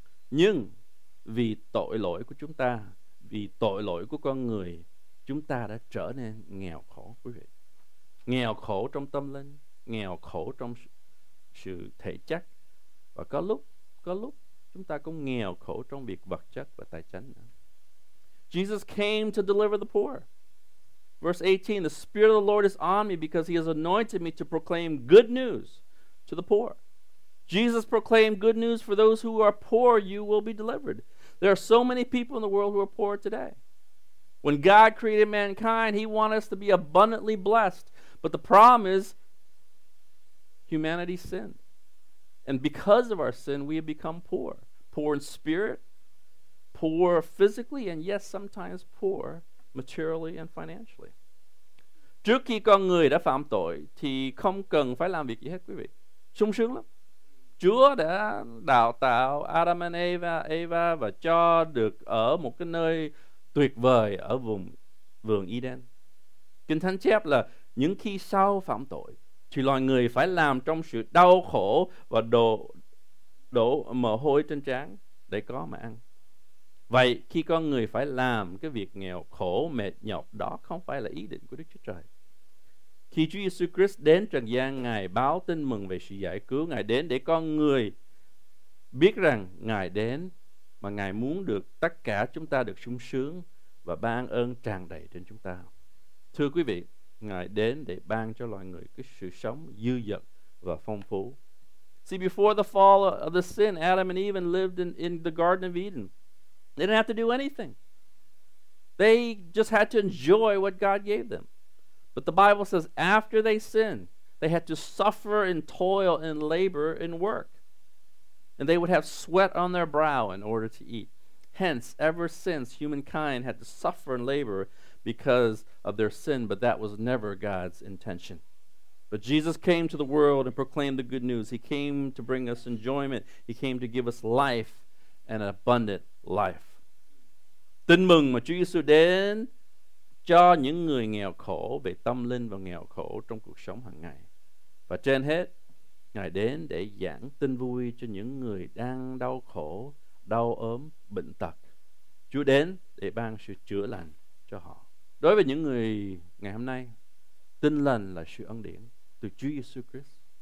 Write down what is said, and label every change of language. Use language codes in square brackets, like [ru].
[vi] Nhưng vì tội lỗi của chúng ta, vì tội lỗi của con người, chúng ta đã trở nên nghèo khổ, quý vị. Nghèo khổ trong tâm linh, nghèo khổ trong sự thể chất. Và có lúc chúng ta cũng nghèo khổ trong việc vật chất và tài chánh. [en] Jesus came to deliver the poor. Verse 18, the Spirit of the Lord is on me because he has anointed me to proclaim good news to the poor. Jesus proclaimed good news for those who are poor, you will be delivered. There are so many people in the world who are poor today. When God created mankind, he wanted us to be abundantly blessed. But the problem is humanity sinned. And because of our sin, we have become poor. Poor in spirit, poor physically, and yes, sometimes poor materially and financially. [vi] Trước khi con người đã phạm tội, thì không cần phải làm việc gì hết, quý vị. Sung sướng lắm. Chúa đã đào tạo Adam and Eva và cho được ở một cái nơi tuyệt vời ở vùng vườn Eden. Kinh Thánh chép là những khi sau phạm tội thì loài người phải làm trong sự đau khổ và đổ mồ hôi trên trán để có mà ăn. Vậy khi con người phải làm cái việc nghèo khổ mệt nhọc, đó không phải là ý định của Đức Chúa Trời. Khi Chúa Jesus Christ đến trần gian, Ngài báo tin mừng về sự giải cứu. Ngài đến để con người biết rằng Ngài đến mà Ngài muốn được tất cả chúng ta được sung sướng và ban ơn tràn đầy trên chúng ta. Thưa quý vị, Ngài đến để ban cho loài người cái sự sống dư dật và phong phú. [en] See, before the fall of the sin, Adam and Eve lived in the Garden of Eden. They didn't have to do anything. They just had to enjoy what God gave them. But the Bible says after they sinned, they had to suffer and toil and labor and work. And they would have sweat on their brow in order to eat. Hence, ever since, humankind had to suffer and labor because of their sin, but that was never God's intention. But Jesus came to the world and proclaimed the good news. He came to bring us enjoyment. He came to give us life and an abundant life. [vi] Tin mừng mà Chúa Giêsu đến cho những người nghèo khổ về tâm linh và nghèo khổ trong cuộc sống hàng ngày. Và trên hết, Ngài đến để giảng tin vui cho những người đang đau khổ, đau ốm, bệnh tật. Chúa đến để ban sự chữa lành cho họ. Đối với những người ngày hôm nay, tin lành là sự ân điển từ Chúa Giêsu Christ.